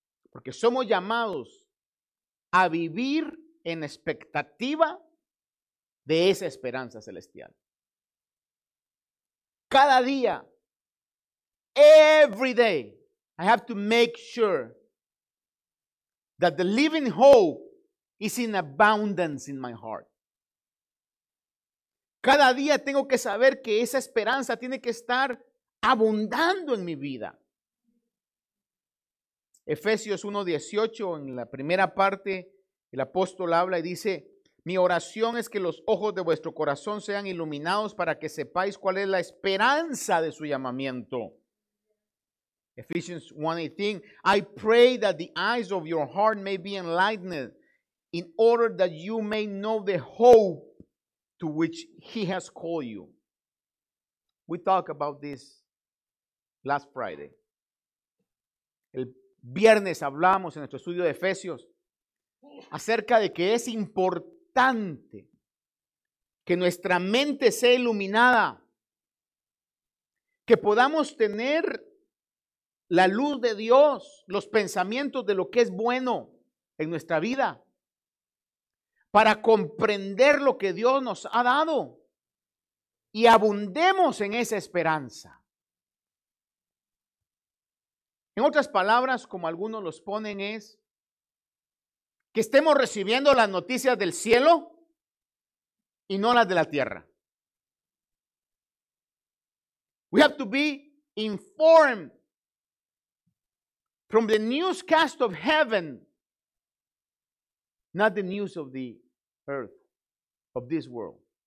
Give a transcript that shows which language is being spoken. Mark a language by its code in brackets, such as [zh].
[es] Porque somos llamados a vivir en expectativa de esa esperanza celestial. Cada día, [en] every day, I have to make sure that the living hope is in abundance in my heart. [es] Cada día tengo que saber que esa esperanza tiene que estar abundando en mi vida. Efesios 1:18, en la primera parte, el apóstol habla y dice, mi oración es que los ojos de vuestro corazón sean iluminados para que sepáis cuál es la esperanza de su llamamiento. [en] Efesios 1:18, I pray that the eyes of your heart may be enlightened in order that you may know the hope to which he has called you. We talk about this last Friday. [es] El viernes hablamos en nuestro estudio de Efesios acerca de que es importante que nuestra mente sea iluminada, que podamos tener la luz de Dios, los pensamientos de lo que es bueno en nuestra vida, para comprender lo que Dios nos ha dado y abundemos en esa esperanza. En otras palabras, como algunos los ponen, es que estemos recibiendo las noticias del cielo y no las de la tierra. [en] We have to be informed from the newscast of heaven, not the news of the earth, of this world.